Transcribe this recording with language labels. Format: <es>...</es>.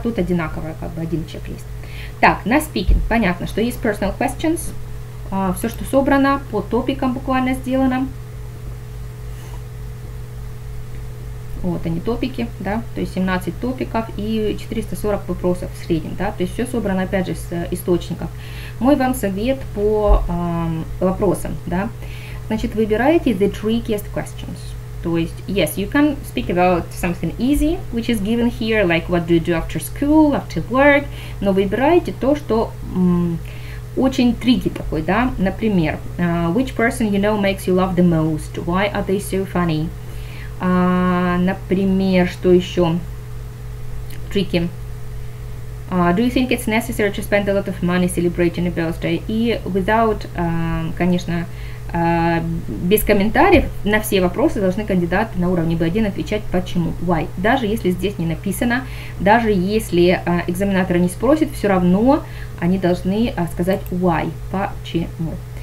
<ru>Тут одинаково, как бы один чек-лист. Так, на speaking. Понятно, что есть personal questions. Все, что собрано, по топикам буквально сделано. Вот они топики, да, то есть 17 топиков и 440 вопросов в среднем, да, то есть все собрано опять же с источников. Мой вам совет по вопросам, да, значит, выбираете</ru> <en>the trickiest questions,</en> <ru>то есть,</ru> <en>yes, you can speak about something easy, which is given here, like what do you do after school, after work,</en> <ru>но выбираете то, что очень</ru> <en>tricky</en> <ru>такой, да, например,</ru> <en>which person you know makes you laugh the most, why are they so funny?</en> <ru>Например, что еще? Tricky.</ru> <en>Do you think it's necessary to spend a lot of money celebrating a birthday?</en> <ru>И without, конечно, без комментариев на все вопросы должны кандидаты на уровне B1 отвечать почему.</ru> <en>Why?</en> <ru>Даже если здесь не написано, даже если экзаменатора не спросит, все равно они должны сказать why, почему.</ru>